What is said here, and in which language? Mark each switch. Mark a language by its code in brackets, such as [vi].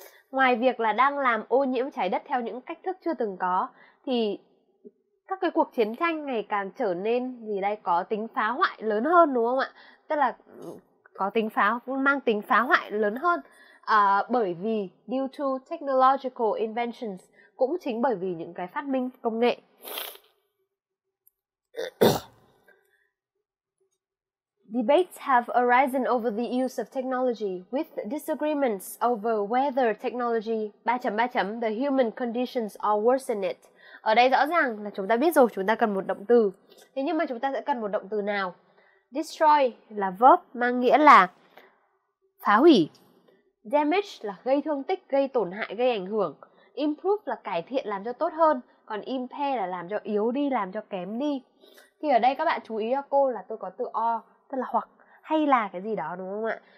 [vi] Ngoài việc là đang làm ô nhiễm trái đất theo những cách thức chưa từng có, thì các cái cuộc chiến tranh ngày càng trở nên gì đây, có tính phá hoại lớn hơn, đúng không ạ? Tức là mang tính phá hoại lớn hơn, bởi vì [en] due to technological inventions, [vi] cũng chính bởi vì những cái phát minh công nghệ. [en] Debates have arisen over the use of technology, with disagreements over whether technology the human conditions are worsen it. [vi] Ở đây rõ ràng là chúng ta biết rồi, chúng ta cần một động từ. Thế nhưng mà chúng ta sẽ cần một động từ nào? Destroy là verb, mang nghĩa là phá hủy. Damage là gây thương tích, gây tổn hại, gây ảnh hưởng. Improve là cải thiện, làm cho tốt hơn. Còn impair là làm cho yếu đi, làm cho kém đi. Thì ở đây các bạn chú ý cho cô là tôi có từ or, tức là hoặc, hay là cái gì đó, đúng không ạ?